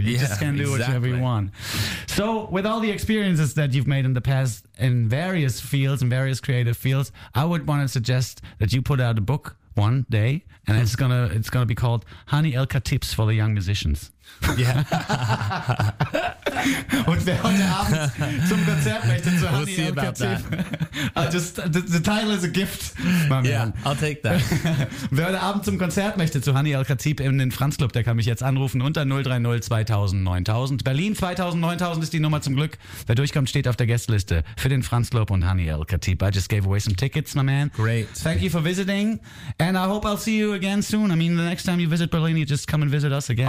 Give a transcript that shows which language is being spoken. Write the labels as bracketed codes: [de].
[en] You just can do whatever you want. So with all the experiences that you've made in the past in various fields, in various creative fields, I would want to suggest that you put out a book one day, and it's gonna be called Hani Elka Tips for the Young Musicians. Yeah. [de] Und wer heute Abend zum Konzert möchte, zu Hani Elka Tip. [en] The title is a gift. I'll take that. [de] Wer heute Abend zum Konzert möchte, zu Hani Elka Tip in den Franz Club, der kann mich jetzt anrufen unter 030 2000 9000. Berlin 2000 9000 ist die Nummer zum Glück. Wer durchkommt, steht auf der Gästeliste für den Franz Club und Hani Elka Tip. [en] I just gave away some tickets, my man. Great. Thank you for visiting. And I hope I'll see you again soon. I mean, the next time you visit Berlin, you just come and visit us again,